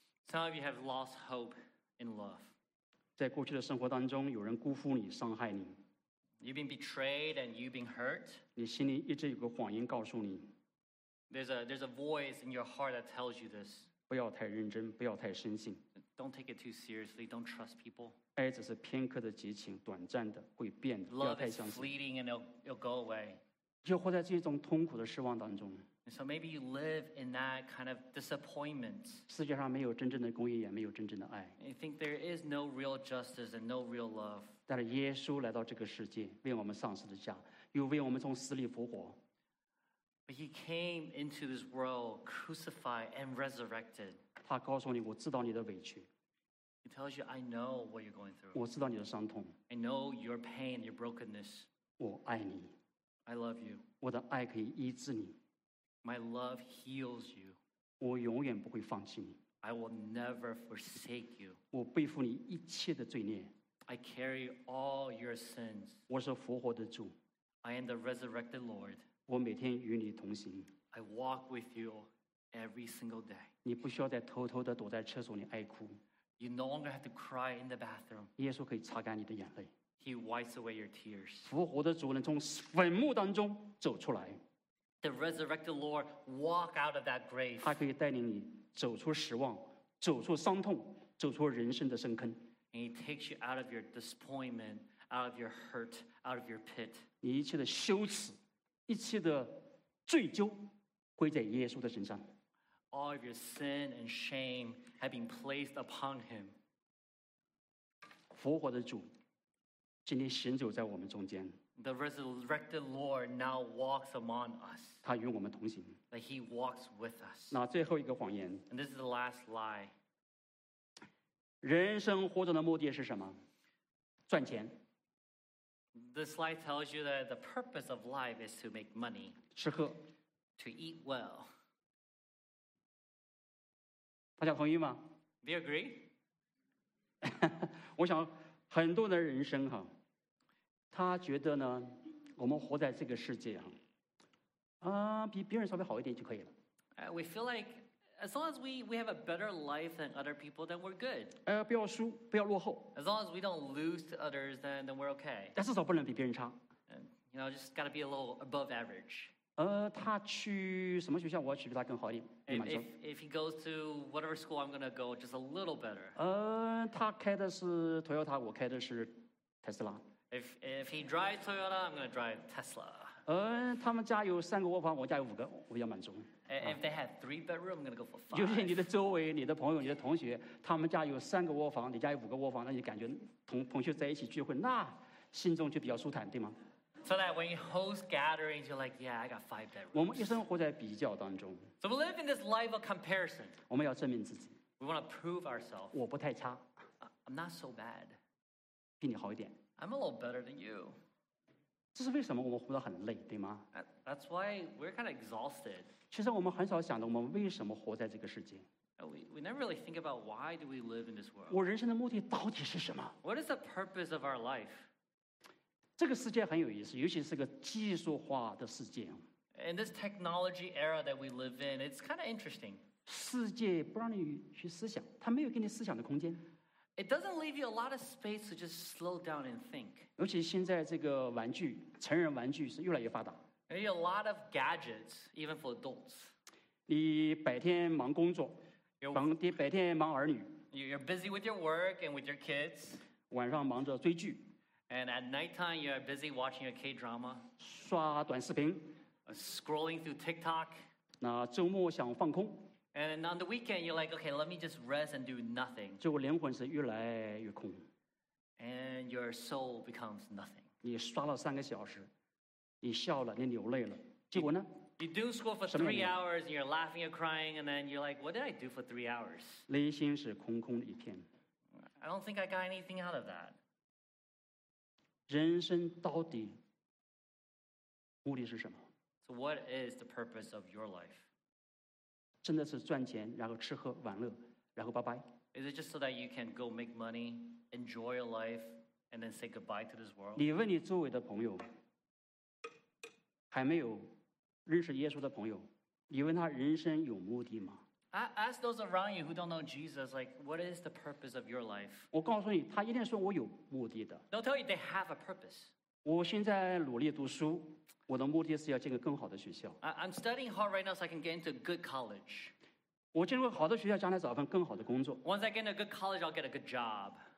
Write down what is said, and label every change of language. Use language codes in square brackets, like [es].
[en] Some of you have lost hope in love. [zh] 在过去的生活当中，有人辜负你，伤害你。 [en] You've been betrayed and you've been hurt. [zh] 你心里一直有个谎言告诉你。 [en] There's a voice in your heart that tells you this. [zh] 不要太认真，不要太深信。 [en] Don't take it too seriously. Don't trust people. [zh] 爱只是片刻的激情，短暂的，会变的。 [en] Love is fleeting and it'll go away. [zh] 就活在这种痛苦的失望当中。 [en] So maybe you live in that kind of disappointment. [zh] 世界上没有真正的公义，也没有真正的爱。 [en] You think there is no real justice and no real love. [zh] 但是耶稣来到这个世界，为我们上十字架，又为我们从死里复活。 [en] But he came into this world crucified and resurrected. [zh] 他告诉你，我知道你的委屈。 [en] He tells you, I know what you're going through. [zh] 我知道你的伤痛。 [en] I know your pain, your brokenness. [zh] 我爱你。 [en] I love you. [zh] 我的爱可以医治你。 [en] My love heals you. [zh] 我永远不会放弃你。 [en] I will never forsake you. [zh] 我背负你一切的罪孽。 [en] I carry all your sins. [zh] 我是复活的主。 [en] I am the resurrected Lord. [zh] 我每天与你同行。 [en] I walk with you every single day. [zh] 你不需要再偷偷地躲在厕所里哀哭。 [en] You no longer have to cry in the bathroom. [zh] 耶稣可以擦干你的眼泪。 [en] He wipes away your tears. [zh] 复活的主能从坟墓当中走出来。 [en] The resurrected Lord walk out of that grave. [zh] 他可以带领你走出失望，走出伤痛，走出人生的深坑。 [en] And he takes you out of your disappointment, out of your hurt, out of your pit. [zh] 你一切的羞耻，一切的罪疚，归在耶稣的身上。 [en] All of your sin and shame have been placed upon him. [zh] 复活的主今天行走在我们中间。 [en] The resurrected Lord now walks among us. [zh] 他与我们同行。 [en] That he walks with us. [zh] 那最后一个谎言。 [en] And this is the last lie. [zh] 人生活着的目的是什么？赚钱。 [en] This lie tells you that the purpose of life is to make money. [zh] 吃喝。 [en] To eat well. [zh] 大家同意吗？ [en] Do you agree? [zh] 我想很多的人生哈。他觉得呢，我们活在这个世界啊，比别人稍微好一点就可以了。 [en] We feel like as long as we have a better life than other people, then we're good. [zh] 不要输，不要落后。 [en] As long as we don't lose to others, then we're okay. [zh] 但至少不能比别人差。 [en] You know, just gotta be a little above average. [zh] 他去什么学校，我要去比他更好一点。 [en] If he goes to whatever school, I'm gonna go just a little better. [zh] 他开的是 Toyota， 我开的是 Tesla。 [en] If he drives Toyota, I'm going to drive Tesla. [zh] 他们家有三个卧房，我家有五个，我比较满足。 [en] If they have three bedroom, I'm going to go for five. [zh] 就是你的周围、你的朋友、你的同学，他们家有三个卧房，你家有五个卧房，那你感觉同学在一起聚会，那心中就比较舒坦，对吗？ [en] So that when you host gatherings, you're like, yeah, I got five bedrooms. [zh] 我们一生活在比较当中。 [en] So we live in this life of comparison. [zh] 我们要证明自己。 [en] We want to prove ourselves. [zh] 我不太差。 [en] I'm not so bad. [zh] 比你好一点。 [en] I'm a little better than you. [zh] 这是为什么我们活得很累，对吗？ [en] That's why we're kind of exhausted. [zh] 其实我们很少想到我们为什么活在这个世界。 [en] We never really think about why do we live in this world. [zh] 我人生的目的到底是什么？ [en] What is the purpose of our life? [zh] 这个世界很有意思，尤其是个技术化的世界。 [en] In this technology era that we live in, it's kind of interesting. [zh] 世界不让你去思想，它没有给你思想的空间。 [en] It doesn't leave you a lot of space to just slow down and think. [zh] 尤其现在这个玩具，成人玩具是越来越发达。 [en] There are a lot of gadgets, even for adults. [zh] 你白天忙工作，白天忙儿女。 [en] You're busy with your work and with your kids. [zh] 晚上忙着追剧。 [en] And at nighttime, you're busy watching a K-drama. [zh] 刷短视频。 [en] Scrolling through TikTok. [zh] 那周末想放空。 [en] And on the weekend, you're like, okay, let me just rest and do nothing. [zh] 就我灵魂是越来越空。 [en] And your soul becomes nothing. [zh] 你刷了三个小时，你笑了，你流泪了，结果呢？ [en] You do school for 3 hours, and you're laughing, you're crying, and then you're like, what did I do for 3 hours? [zh] 内心是空空一片。 [en] I don't think I got anything out of that. [zh] 人生到底目的是什么？ [en] So what is the purpose of your life? [zh] 真的是赚钱，然后吃喝玩乐，然后拜拜。 [en] Is it just so that you can go make money, enjoy your life, and then say goodbye to this world? [zh] 你问你周围的朋友，还没有认识耶稣的朋友，你问他人生有目的吗 [en] ？I ask those around you who don't know Jesus, like, what is the purpose of your life? [zh] 我告诉你，他一定说我有目的的。 [en] They'll tell you they have a purpose. [zh] 我现在努力读书。我的目的是要进个更好的学校。 [en] I'm studying hard right now so I can get into a good college. [zh] 我进入个好的学校，将来找份更好的工作。 [en] Once I get into a good college, I'll get a good job.